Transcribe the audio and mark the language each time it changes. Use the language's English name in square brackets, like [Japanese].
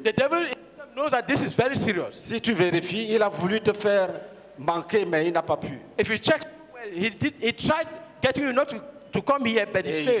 [English] The devil knows that this is very serious. [French] Si tu vérifies, il a voulu te faire manquer, mais il n'a pas pu. [English] If you check, well, he tried getting you not to come here, but he failed.